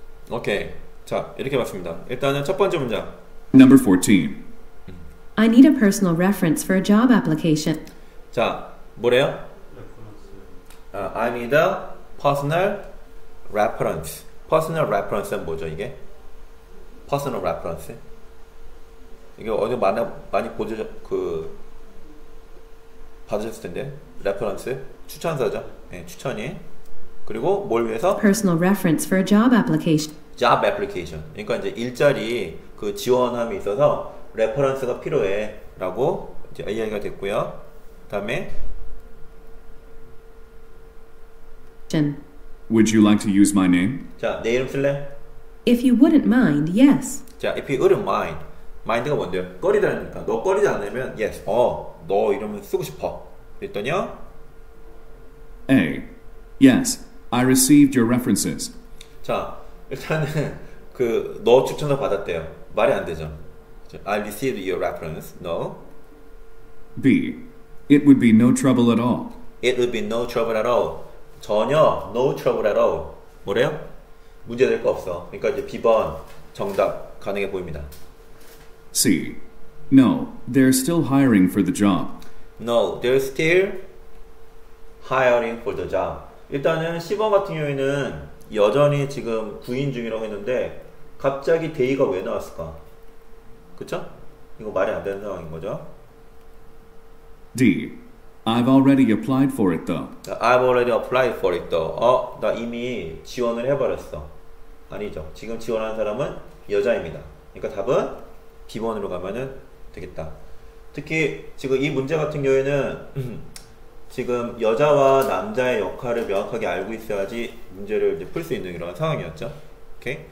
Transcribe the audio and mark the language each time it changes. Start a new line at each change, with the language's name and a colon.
Korean: Okay. 자, 이렇게 봤습니다. 일단은 첫 번째 문장.
English: Number 14. I need a personal reference for a job application.
Korean: 자, 뭐래요?
English: I need a personal reference.
Korean: Personal reference는 뭐죠, 이게?
English: Personal reference.
Korean: 이게 어디 많이 보죠, 그 받으셨을 텐데. reference 추천서죠. 예, 네, 추천이. 그리고 뭘 위해서?
English: Personal reference for a job application. Job application.
Korean: 그러니까 이제 일자리 그 지원함이 있어서 레퍼런스가 필요해 라고 이제 이야기가 됐고요. 다음에
English: Would you like to use my name?
Korean: 자, 내 이름 쓸래?
English: If you wouldn't mind, yes. 자, if you wouldn't mind. Mind가
Korean: 뭔데요? 꺼리다니까. 너 꺼리지 않으면 yes. 어, 너 이름을 쓰고 싶어. 그랬더니요.
English: A. Yes, I received your references.
Korean: 자, 일단은 그 너 추천서 받았대요. 말이 안 되죠.
English: I received your reference. No. B. It would be no trouble at all. It would be no trouble at all. 전혀 no trouble at all.
Korean: 뭐래요? 문제 될 거 없어. 그러니까 이제 B번 정답 가능해 보입니다.
English: C. No. They're still hiring for the job. No. They're still hiring for the job.
Korean: 일단은 C번 같은 경우에는 여전히 지금 구인 중이라고 했는데 갑자기 데이가 왜 나왔을까? 그쵸? 이거 말이 안 되는 상황인 거죠?
English: D. I've already applied for it though. I've already applied for it though. 어?
Korean: 나 이미 지원을 해버렸어. 아니죠. 지금 지원하는 사람은 여자입니다. 그러니까 답은 B번으로 가면은 되겠다. 특히 지금 이 문제 같은 경우에는 지금 여자와 남자의 역할을 명확하게 알고 있어야지 문제를 이제 풀 수 있는 이런 상황이었죠. 오케이?